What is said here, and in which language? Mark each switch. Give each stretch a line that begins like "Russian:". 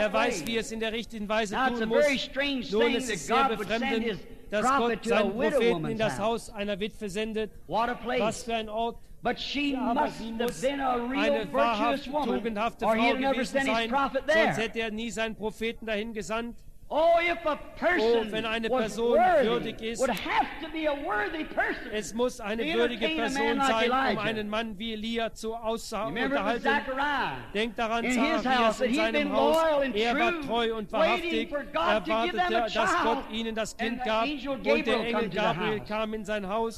German: way. Er weiß, wie es in der richtigen Weise tun muss. Nun, es ist sehr befremdend, dass Gott seinen Propheten in das Haus einer Witwe sendet. Was für ein Ort.
English: But she must have been a real virtuous woman, or he'd never send his prophet there.
German: Sonst hätte er nie seinen Propheten dahin gesandt.
English: Oh, if a person,
German: oh, wenn eine Person würdig ist,
English: would have to be a worthy person.
German: Es muss eine würdige Person sein, um einen Mann wie Elia zu unterhalten. Denkt daran, Zacharias, in seinem Haus, er war treu und wahrhaftig, erwartete, dass Gott ihnen das Kind gab, und der Engel Gabriel kam in sein Haus.